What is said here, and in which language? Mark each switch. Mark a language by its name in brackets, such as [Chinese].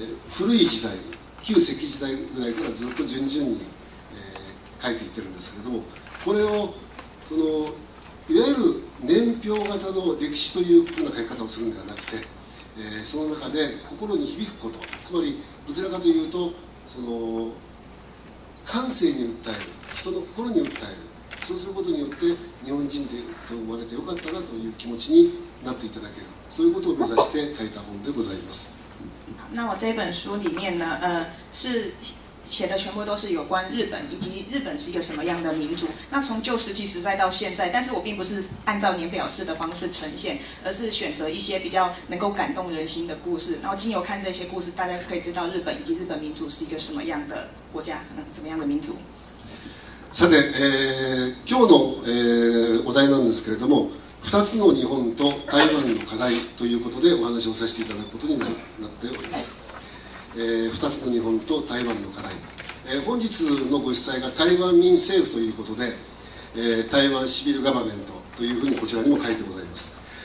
[Japanese] 古い時代、旧石器時代ぐらいからずっと順々に、書いていってるんですけれども、これをそのいわゆる年表型の歴史というような書き方をするんではなくて、その中で心に響くこと、つまりどちらかというとその感性に訴える、人の心に訴える、そうすることによって日本人でと生まれてよかったなという気持ちになっていただける、そういうことを目指して書いた本でございます。 [Chinese] 那我这本书里面呢，是写的全部都是有关日本以及日本是一个什么样的民族，那从旧石器时代到现在，但是我并不是按照年表式的方式呈现，而是选择一些比较能够感动人心的故事，然后经由看这些故事，大家可以知道日本以及日本民族是一个什么样的国家，怎么样的民族。 [Japanese] さて、今日の、お題なんですけれども、2つの日本と台湾の課題ということでお話をさせていただくことになっております。 2つの日本と台湾の課題。本日のご主催が台湾民政府ということで、台湾シビルガバメントというふうにこちらにも書いてございます。